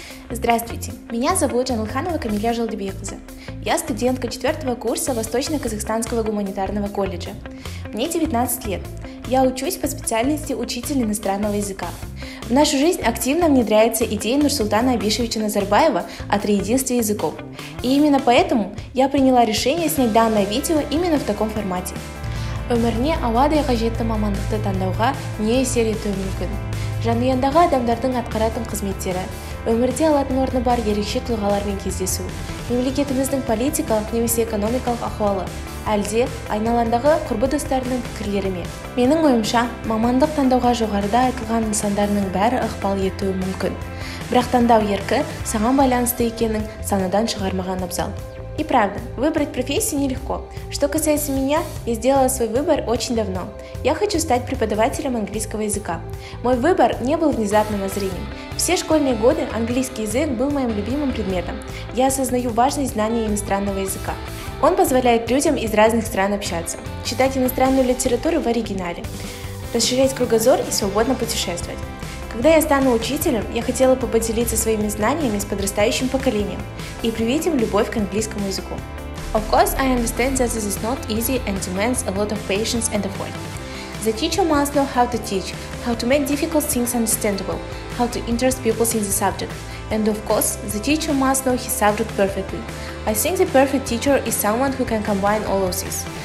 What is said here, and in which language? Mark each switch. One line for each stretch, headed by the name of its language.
Russian: Здравствуйте, меня зовут Анулханова Камиля Жалдыбековна. Я студентка 4 курса Восточно-Казахстанского гуманитарного колледжа. Мне 19 лет. Я учусь по специальности учитель иностранного языка. В нашу жизнь активно внедряется идея Нурсултана Абишевича Назарбаева о триединстве языков. И именно поэтому я приняла решение снять данное видео именно в таком формате.
Kazakh: Өмірне ауадай қажетті мамандықты таңдауға не әсер етуі мүмкін? Жанұяндағы адамдардың атқаратын қызметтері, өмірде алатын орны бар ерекше тұлғалармен кездесу, мемлекетіміздің политикалық немесе экономикалық ахуалы, әлде айналандағы құрбы достарының пікірлері ме? Менің ойымша, мамандық таңдауға жоғарыда айтылған нысандарының бәрі ықпал етуі мүмкін. Бірақ таңдау еркі саған байланысты екенін санадан шығармаған абзал.
Russian: И правда, выбрать профессию нелегко. Что касается меня, я сделала свой выбор очень давно. Я хочу стать преподавателем английского языка. Мой выбор не был внезапным озарением. Все школьные годы английский язык был моим любимым предметом. Я осознаю важность знания иностранного языка. Он позволяет людям из разных стран общаться, читать иностранную литературу в оригинале, расширять кругозор и свободно путешествовать. Когда я стану учителем, я хотела бы поделиться своими знаниями с подрастающим поколением и привить им любовь к английскому языку.
English: Of course, I understand that this is not easy and demands a lot of patience and effort. The teacher must know how to teach, how to make difficult things understandable, how to interest pupils in the subject. And of course, the teacher must know his subject perfectly. I think the perfect teacher is someone who can combine all of this.